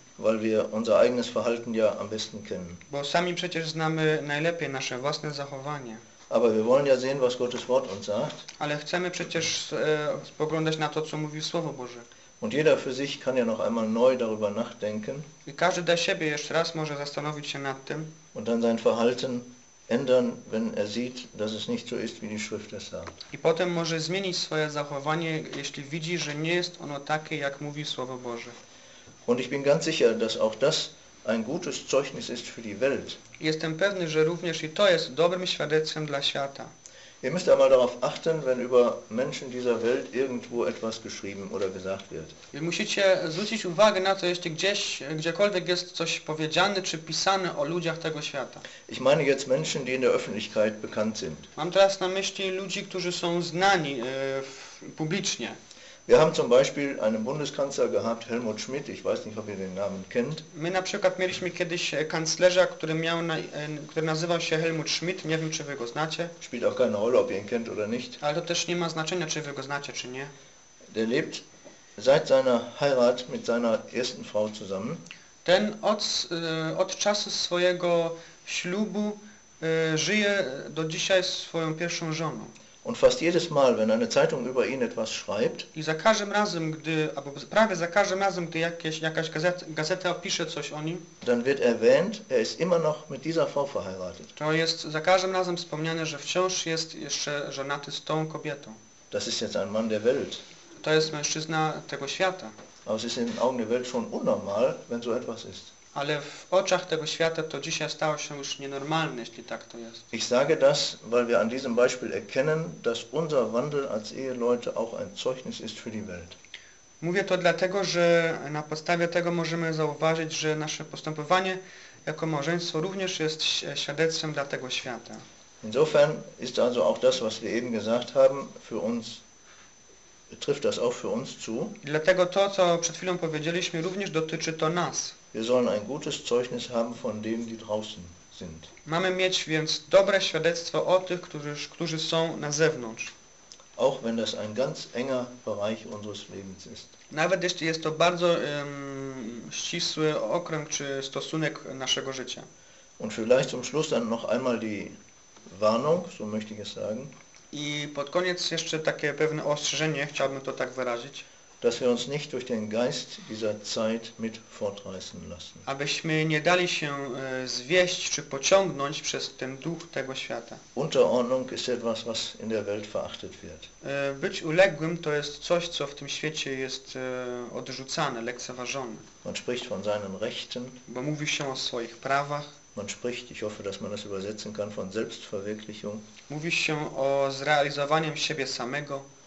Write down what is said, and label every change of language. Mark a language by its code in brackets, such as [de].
[de] Weil wir unser eigenes Verhalten ja am besten kennen. [pl] Bo sami przecież znamy najlepiej nasze własne zachowanie. [de] Aber wir wollen ja sehen, was Gottes Wort uns sagt. [pl] Ale chcemy przecież spoglądać na to, co mówi Słowo Boże. [de] Und jeder für sich kann ja noch einmal neu darüber nachdenken. [pl] I każdy dla siebie jeszcze raz może zastanowić się nad tym. [de] Und dann sein Verhalten ändern, wenn er sieht, dass es nicht so ist, wie die Schrift es sagt. [pl] I potem może zmienić swoje zachowanie, jeśli widzi, że nie jest ono takie, jak mówi Słowo Boże. [de] Und ich bin ganz sicher, dass auch das ein gutes Zeugnis ist für die Welt. [pl] Jestem pewny, że również i to jest dobrym świadectwem dla świata. [de] Ihr müsst einmal darauf achten, wenn über Menschen dieser Welt irgendwo etwas geschrieben oder gesagt wird. [pl] I musicie zwrócić uwagę na to, jeśli gdzieś, gdziekolwiek jest coś powiedziane czy pisane o ludziach tego świata. [de] Ich meine jetzt Menschen, die in der Öffentlichkeit bekannt sind. [pl] Mam teraz na myśli ludzi, którzy są znani publicznie. [de] Wir haben zum Beispiel einen Bundeskanzler gehabt, Helmut Schmidt, ich weiß nicht, ob ihr den Namen kennt. [pl] My na przykład mieliśmy kiedyś kanclerza, który nazywał się Helmut Schmidt, nie wiem, czy wy go znacie. [de] Spielt auch keine Rolle, ob ihr ihn kennt oder nicht. [pl] Ale to też nie ma znaczenia, czy wy go znacie, czy nie. [de] Der lebt seit seiner Heirat mit seiner ersten Frau zusammen. [pl] Ten od czasu swojego ślubu żyje do dzisiaj z swoją pierwszą żoną. [de] Und fast jedes Mal, wenn eine Zeitung über ihn etwas schreibt, [pl] i za każdym razem, gdy, albo prawie za każdym razem, gdy jakaś gazeta opisze coś o nim, [de] dann wird erwähnt, er ist immer noch mit dieser Frau verheiratet. [pl] To jest za każdym razem wspomniane, że wciąż jest jeszcze żonaty z tą kobietą. [de] Das ist jetzt ein Mann der Welt. [pl] To jest mężczyzna tego świata. [de] Aber es ist in den Augen der Welt schon unnormal, wenn so etwas ist. [pl] Ale w oczach tego świata to dzisiaj stało się już nienormalne, jeśli tak to jest. [de] Ich sage das, weil wir an diesem Beispiel erkennen, dass unser Wandel als Eheleute auch ein Zeugnis ist für die Welt. [pl] Mówię to dlatego, że na podstawie tego możemy zauważyć, że nasze postępowanie jako małżeństwo również jest świadectwem dla tego świata. [de] Insofern ist also auch das, was wir eben gesagt haben, für uns trifft das auch für uns zu. [pl] Dlatego to, co przed chwilą powiedzieliśmy, również dotyczy to nas. [de] Wir sollen ein gutes Zeugnis haben von denen, die draußen sind. [pl] Mamy mieć więc dobre świadectwo o tych, którzy są na zewnątrz. [de] Auch wenn das ein ganz enger Bereich unseres Lebens ist. [pl] Nawet jeśli jest to bardzo ścisły okręg czy stosunek naszego życia. [de] Und vielleicht zum Schluss dann noch einmal die Warnung, so möchte ich es sagen. [pl] I pod koniec jeszcze takie pewne ostrzeżenie, chciałbym to tak wyrazić. [de] Dass wir uns nicht durch den Geist dieser Zeit mit fortreißen lassen. [pl] Abyśmy nie dali się zwieść czy pociągnąć przez ten duch tego świata. [de] Unterordnung ist etwas, was in der Welt verachtet wird. [pl] Być uległym to jest coś, co w tym świecie jest odrzucane, lekceważone. [de] Man spricht von seinen Rechten. [pl] Bo mówi się o swoich prawach. [de] Man spricht, ich hoffe, dass man das übersetzen kann, von Selbstverwirklichung. [pl] Mówi się o zrealizowaniu siebie samego.